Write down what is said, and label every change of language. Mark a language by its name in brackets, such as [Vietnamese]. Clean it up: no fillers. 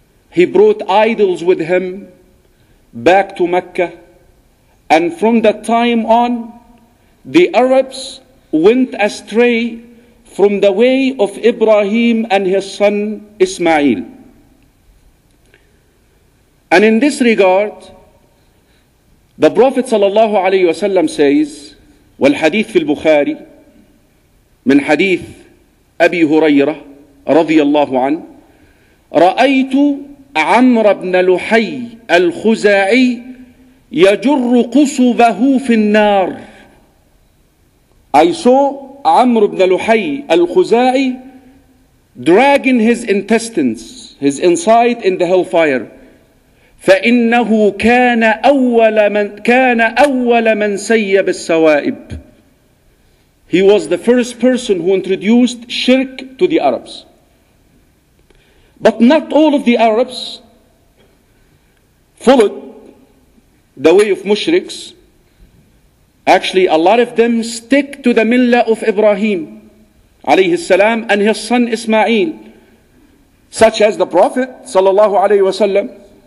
[English] He brought idols with him back to Mecca. And from that time on, the Arabs went astray from the way of Ibrahim and his son Ismail. And in this regard, the Prophet sallallahu alayhi wasallam says, [Arabic] والحديث في البخاري من حديث أبي هريرة رضي الله عنه رأيت عمرو بن لحي الخزاعي يجر قصبه في النار. [English] I saw عمرو بن لحي الخزاعي dragging his intestines, his inside in the hellfire. [Arabic] فإنه كان أول من سيب السوائب. [English] He was the first person who introduced shirk to the Arabs. But not all of the Arabs followed the way of mushriks. Actually, a lot of them stick to the millah of Ibrahim alayhi salam and his son Ismail, such as the Prophet sallallahu alayhi wasallam.